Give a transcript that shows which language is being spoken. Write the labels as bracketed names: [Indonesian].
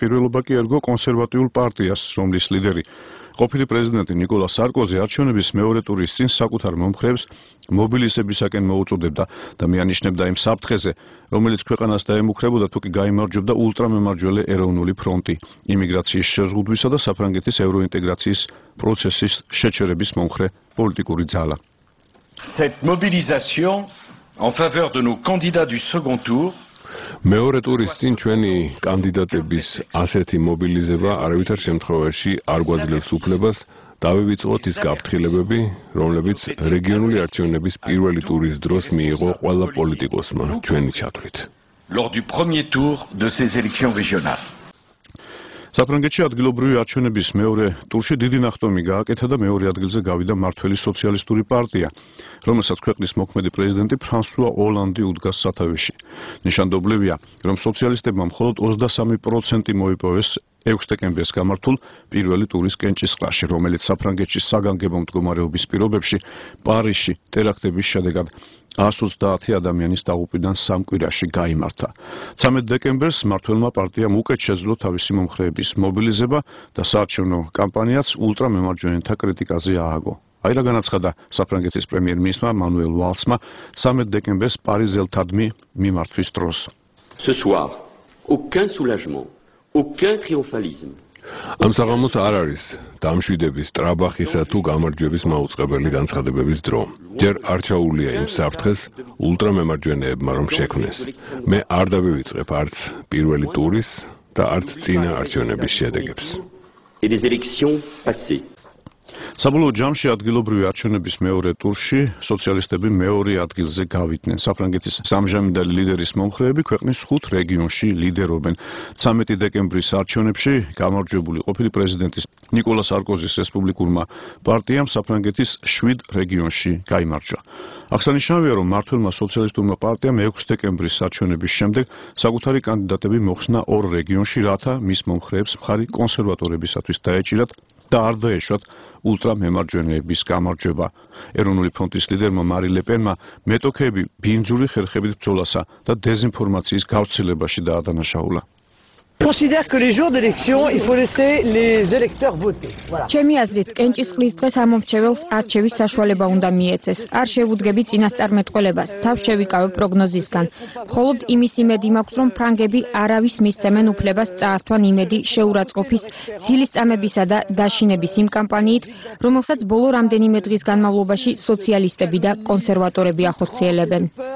[Georgian] პირველობა კი ერგო კონსერვატიულ პარტიას, რომლის ლიდერი ყოფილი პრეზიდენტი ნიკოლა სარკოზი არჩევნების მეორე ტურის წინ საკუთარ მომხრეებს მობილიზებისაკენ მოუწოდებდა და მიანიშნებდა იმ საფრთხეზე, რომელიც ქვეყანას დაემუქრებოდა, თუ კი გაიმარჯვებდა ულტრამემარჯვენე ეროვნული ფრონტი იმიგრაციის შეზღუდვისა და საფრანგეთის ევროინტეგრაციის პროცესის შეჩერების მომხრე პოლიტიკური ძალა. [French] Cette mobilisation en faveur de nos candidats du second tour [Georgian] მეორე ტურის წინ ჩვენი კანდიდატების ასეთი მობილიზება არავითარ შემთხვევაში არ გვაძლევს უფლებას დავივიწყოთ ის გაფრთხილებები, რომლებიც რეგიონული არჩევნების პირველი ტურის დროს მიიღო ყველა პოლიტიკოსმა ჩვენი ჩათვლით. [French] Lors du premier tour de ces élections régionales. [Georgian] საფრანგეთში ადგილობრივი არჩევნების მეორე ტურში დიდი ნახტომი გააკეთა და მეორე ადგილზე გავიდა მართველი სოციალისტური პარტია, რომელსაც ქვეყნის მოქმედი პრეზიდენტი ფრანსუა ოლანდი უდგას სათავეში. ნიშანდობლივია, რომ სოციალისტებმა მხოლოდ 23% მოიპოვეს 6 დეკემბერს გამართულ პირველი ტურის კენჭისყრაში, რომელიც საფრანგეთში საგანგებო მდგომარეობის პირობებში პარიზში ტერაქტების შედეგად 120 ადამიანის დაღუპვიდან სამკვირაში გაიმართა. 13 დეკემბერს მართველმა პარტიამ უკეთ შეძლო თავისი მომხრეების მობილიზება და საარჩევნო კამპანიაც ულტრამემარჯვენეთა კრიტიკაზე ააგო. აი რა განაცხადა საფრანგეთის პრემიერ-მინისტრმა მანუელ ვალსმა 13 დეკემბერს პარიზელთადმი მიმართვის დროს. [French] Ce soir, aucun soulagement, aucun triomphalisme. [Georgian] ამ საღამოს არ არის დამშვიდების, ტრაბახისა თუ გამარჯვების მაუწყებელი განცხადებების დრო. ჯერ არჩაულია იმ საფრთხეს ულტრამემარჯვენეებმა რომ შექმნეს. მე არ დავივიწყებ არც პირველი ტურის და არც წინა არჩევნების შედეგებს. საბოლოო ჯამში ადგილობრივი არჩევნების მეორე ტურში სოციალისტები მეორე ადგილზე გავიდნენ. საფრანგეთის სამჟამინდელი ლიდერის მომხრეები ქვეყნის 5 რეგიონში ლიდერობენ. 13 დეკემბრის არჩევნებში გამარჯვებული ყოფილი პრეზიდენტის ნიკოლა სარკოზის რესპუბლიკურმა პარტიამ საფრანგეთის 7 რეგიონში გაიმარჯვა. აღსანიშნავია, რომ მართველმა სოციალისტურმა პარტიამ 6 დეკემბრის არჩევნების შემდეგ საკუთარი კანდიდატები მოხსნა 2 რეგიონში, რათა მის მომხრეებს მხარი კონსერვატორებისათვის დაეჭირათ და არ დაეშვათ ულტრამემარჯვენეების გამარჯვება. ეროვნული ფრონტის ლიდერმა მარი ლეპენმა მეტოქეები ბინძური ხერხებით ბრძოლასა და დეზინფორმაციის გავრცელებაში დაადანაშაულა. [French] considère que les jours d'élection, il faut laisser les électeurs voter. Voilà. [Georgian] ჩემი აზრით, კენჭის ხლის დღეს ამომრჩეველს არჩევის საშუალება უნდა მიეცეს. არ შევუდგები წინასწარმეტყველებას, თავს შევიკავე პროგნოზისგან. მხოლოდ იმის იმედი მაქვს, რომ ფრანგები არავის მისცემენ უფლებას წაართვან იმედი შეურაცხყოფის ძილისწამებისა და დაშინების იმ კამპანიით, რომელსაც ბოლო რამდენიმე დღის განმავლობაში სოციალისტები და კონსერვატორები ახორციელებენ.